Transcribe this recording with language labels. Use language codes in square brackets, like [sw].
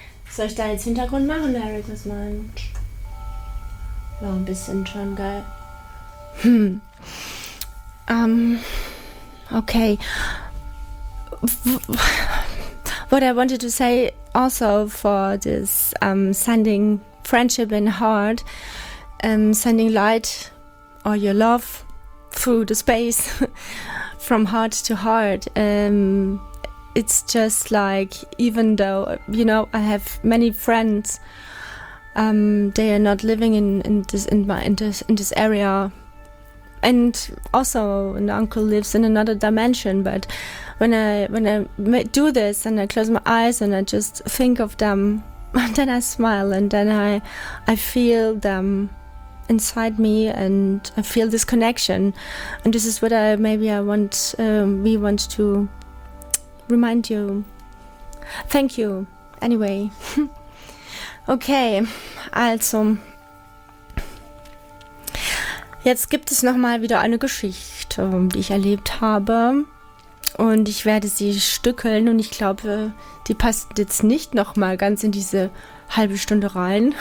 [de] Soll ich da jetzt Hintergrund machen, Eric? Was meinst du? War ein bisschen schon geil. Okay. [en] What I wanted to say also for this sending friendship and heart, sending light or your love through the space from heart to heart. It's just like, even though, you know, I have many friends, they are not living in this area, and also an uncle lives in another dimension. But when I do this and I close my eyes and I just think of them, then I smile and then I feel them inside me and I feel this connection. And this is what we want to remind you. Thank you. Anyway. [de] Okay, also, jetzt gibt es nochmal wieder eine Geschichte, die ich erlebt habe und ich werde sie stückeln und ich glaube, die passt jetzt nicht nochmal ganz in diese halbe Stunde rein.